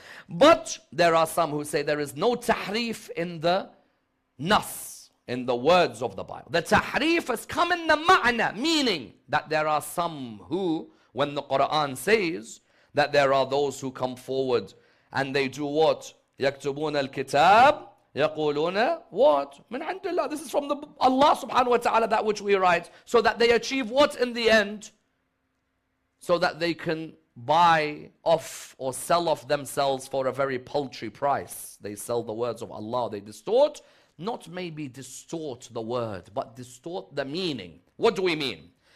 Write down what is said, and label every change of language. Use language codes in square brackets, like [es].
[en] But there are some who say there is no tahrif in the nas, in the words of the Bible. The tahrif has come in the ma'na, meaning that there are some who, when the Quran says that there are those who come forward and they do what? [ar] يَكْتُبُونَ الْكِتَابِ يَقُولُونَ [en] what? [ar] مِنْ عِنْدِ اللَّهِ. [en] This is from the Allah subhanahu wa ta'ala, that which we write, so that they achieve what in the end? So that they can buy off or sell off themselves for a very paltry price. They sell the words of Allah, they distort. Not maybe distort the word, but distort the meaning. What do we mean?